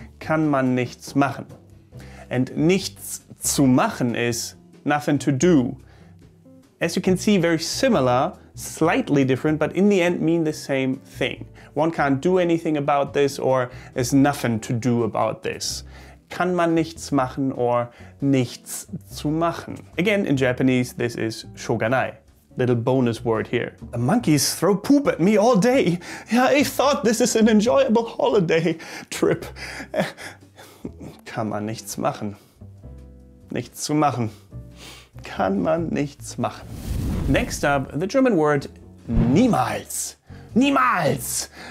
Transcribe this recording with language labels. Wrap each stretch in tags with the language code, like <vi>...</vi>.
<de>Kann man nichts machen. And nichts zu machen</de> <en>is nothing to do. As you can see, very similar, slightly different, but in the end mean the same thing. One can't do anything about this or there's nothing to do about this.</en> <de>Kann man nichts machen or nichts zu machen.</de> <en>Again, in Japanese, this is shoganai. Little bonus word here. The monkeys throw poop at me all day. Yeah, I thought this is an enjoyable holiday trip.</en> <de>kann man nichts machen. Nichts zu machen. Kann man nichts machen.</de> <en>Next up, the German word</en> <de>niemals. Niemals!</de>